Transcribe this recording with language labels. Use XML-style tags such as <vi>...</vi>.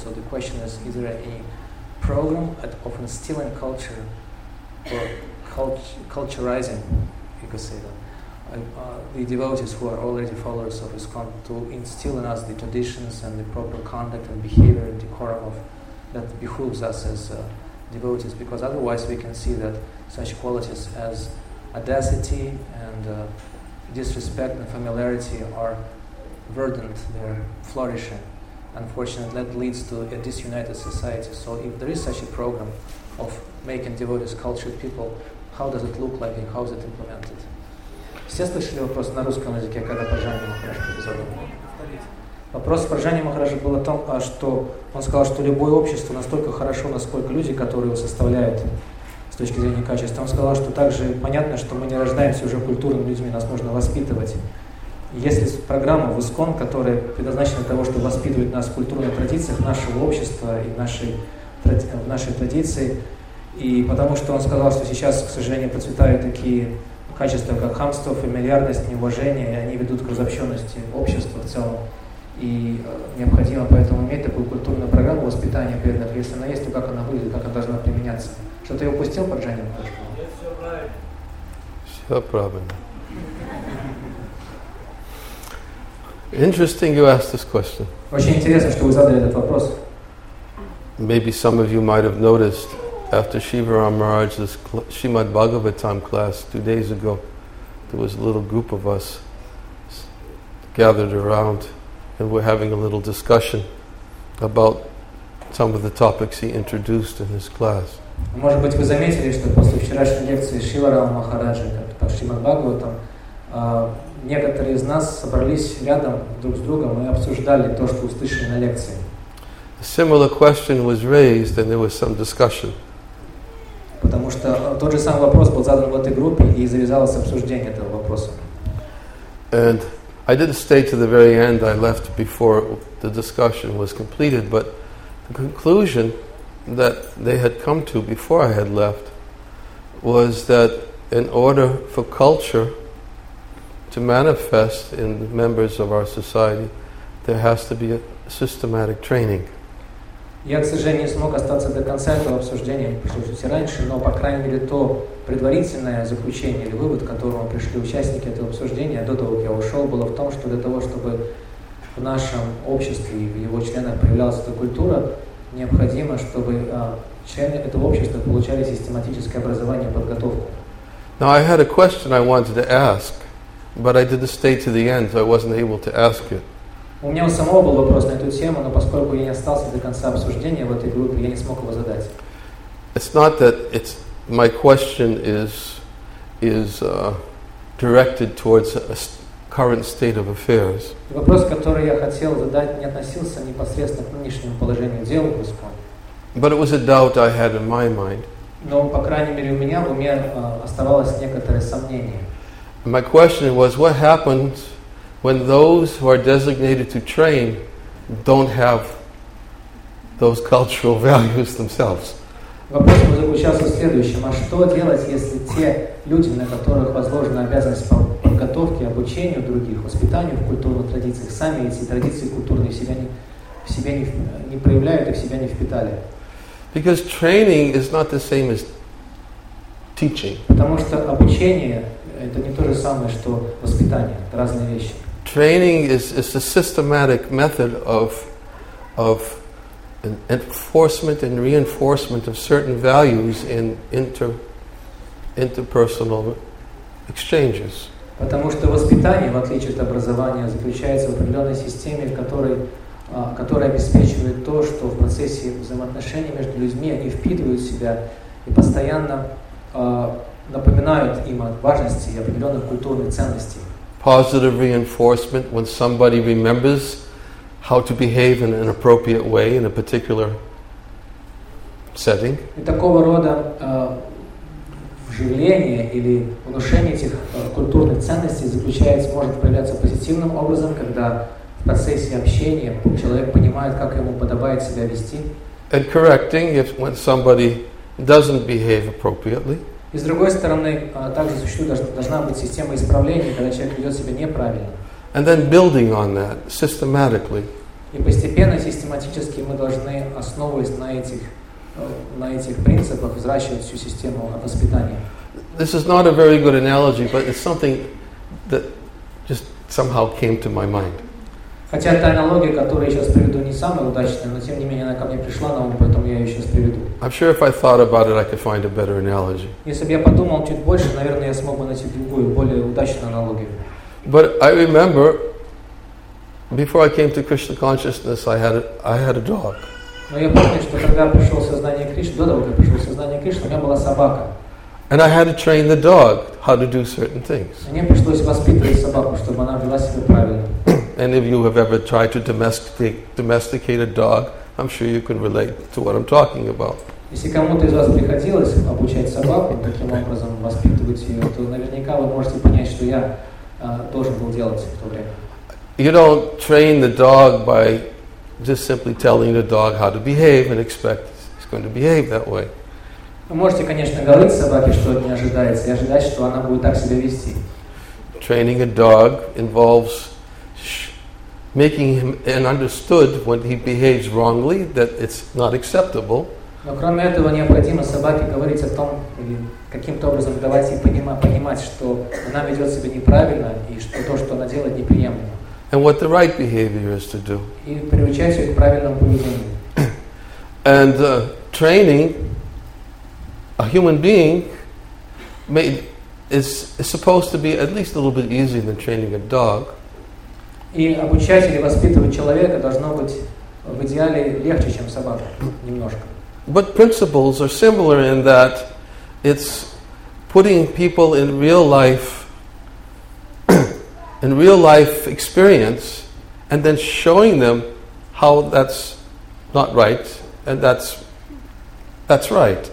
<en>So the question is there a program at often stealing culture or culturizing, you could say that, the devotees who are already followers of ISKCON to instill in us the traditions and the proper conduct and behavior and decorum of that behooves us as devotees, because otherwise we can see that such qualities as audacity and disrespect and familiarity are verdant, they're flourishing. Unfortunately, that leads to a disunited society. So if there is such a program of making devotees cultured people, how does it look like and how is it implemented?</en> <ru>Все слышали вопрос на русском языке, когда Паджани Махарадж задал? Вопрос Паджани Махараджа был о том, что он сказал, что любое общество настолько хорошо, насколько люди, которые его составляют с точки зрения качества. Он сказал, что также понятно, что мы не рождаемся уже культурными людьми, нас нужно воспитывать. Есть ли программа в ИСКОН, которая предназначена для того, чтобы воспитывать нас в культурных традициях нашего общества и в нашей традиции? И потому что он сказал, что сейчас, к сожалению, процветают такие качества, как хамство, фамильярность, неуважение, и они ведут к разобщенности общества в целом. И необходимо поэтому иметь такую культурную программу воспитания преданных. Если она есть, то как она выглядит, как она должна применяться? Что-то я упустил, Парджани? Нет, все правильно.</ru> <en>Interesting you asked this question.</en> <ru>Очень интересно, что вы задали этот вопрос.</ru> <en>Maybe some of you might have noticed after Shivaram Maharaj's Srimad Bhagavatam class 2 days ago, there was a little group of us gathered around and we're having a little discussion about some of the topics he introduced in his class.</en> <ru>Может быть, вы заметили, что после вчерашней лекции Шрила Рама Махараджи по Шримад-Бхагаватам некоторые из нас собрались рядом друг с другом и обсуждали то, что услышали на лекции.</ru> <en>A similar question was raised and there was some discussion.</en> <ru>Потому что тот же самый вопрос был задан в этой группе и завязалось обсуждение этого вопроса.</ru> <en>And I didn't stay to the very end, I left before the discussion was completed, but the conclusion that they had come to before I had left was that in order for culture to manifest in members of our society, there has to be a systematic training.</en> <ru>Я, к сожалению, не смог остаться до конца этого обсуждения, послушайте раньше, но, по крайней мере, то предварительное заключение или вывод, к которому пришли участники этого обсуждения до того, как я ушел, было в том, что для того, чтобы в нашем обществе и в его членах проявлялась эта культура, необходимо, чтобы члены этого общества получали систематическое образование и подготовку.</ru> <en>Now, I had a question I wanted to ask, but I didn't stay to the end, so I wasn't able to ask it.</en> <ru>У меня у самого был вопрос на эту тему, но поскольку я не остался до конца обсуждения в этой группе, я не смог его задать.</ru> <en>It's not that it's my question is directed towards a current state of affairs.</en> <ru>Вопрос, который я хотел задать, не относился непосредственно к нынешнему положению дел в Испании.</ru> <en>But it was a doubt I had in my mind.</en> <ru>Но, по крайней мере, у меня в уме оставалось некоторое сомнение.</ru> <en>My question was, what happens when those who are designated to train don't have those cultural values themselves?</en> <ru>Вопрос заключался в следующем. А что делать, если те люди, на которых возложена обязанность по подготовке, обучению других, воспитанию в культурных традициях, сами эти традиции культурные в себя не проявляют и в себя не впитали?</ru> <en>Because training is not the same as teaching.</en> <ru>Потому что обучение – это не то же самое, что воспитание. Это разные вещи.</ru> <en>Training is a systematic method of enforcement and reinforcement of certain values in interpersonal exchanges.</en> <ru>Потому что воспитание, в отличие от образования, заключается в определенной системе, которая обеспечивает то, что в процессе взаимоотношений между людьми они впитывают в себя и постоянно напоминают им о важности и определенных культурных ценностей.</ru> <en>Positive reinforcement when somebody remembers how to behave in an appropriate way in a particular setting.</en> <ru>И такого рода вживление или внушение этих культурных ценностей заключается, может проявляться позитивным образом, когда в процессе общения человек понимает, как ему подобает себя вести.</ru> <en>And correcting if when somebody doesn't behave appropriately.</en> <ru>И с другой стороны, также существует должна быть система исправления, когда человек ведет себя неправильно.</ru> <en>And then building on that systematically.</en> <ru>И постепенно, систематически мы должны, основываясь на этих принципах, взращивать всю систему воспитания.</ru> <en>This is not a very good analogy, but it's something that just somehow came to my mind.</en> <ru>Хотя эта аналогия, которую я сейчас приведу, не самая удачная, но тем не менее она ко мне пришла на ум, поэтому я ее сейчас приведу.</ru> <en>I'm sure if I thought about it, I could find a better analogy.</en> <ru>Если бы я подумал чуть больше, наверное, я смог бы найти другую, более удачную аналогию.</ru> <en>But I remember, before I came to Krishna consciousness, I had a dog.</en> <ru>Но я помню, что когда пришел сознание Кришны, до того, как пришел сознание Кришны, у меня была собака.</ru> <en>And I had to train the dog how to do certain things.</en> <ru>Мне пришлось воспитывать собаку, чтобы она вела себя правильно.</ru> <en>And if you have ever tried to domesticate a dog, I'm sure you can relate to what I'm talking about.</en> <ru>Если кому-то из вас приходилось обучать собаку, таким образом воспитывать ее, то наверняка вы можете понять, что я тоже был делать в то время.</ru> <en>You don't train the dog by just simply telling the dog how to behave and expect it's going to behave that way.</en> <ru>Вы можете, конечно, говорить собаке, что от нее ожидается, и ожидать, что она будет так себя вести.</ru> <en>Training a dog involves making him and understood when he behaves wrongly that it's not acceptable.</en> <ru>Но кроме этого необходимо собаке говорить о том или каким-то образом давать ей понимать, что она ведет себя неправильно и что то, что она делает, неприемлемо.</ru> <en>And what the right behavior is to do.</en> <ru>И приучать ее к правильному поведению.</ru> <en>And training a human being is supposed to be at least a little bit easier than training a dog.</en> <ru>И обучать или воспитывать человека должно быть в идеале легче, чем собака, немножко.</ru> <en>But principles are similar in that it's putting people in real life, in real life experience, and then showing them how that's not right and that's right.</en>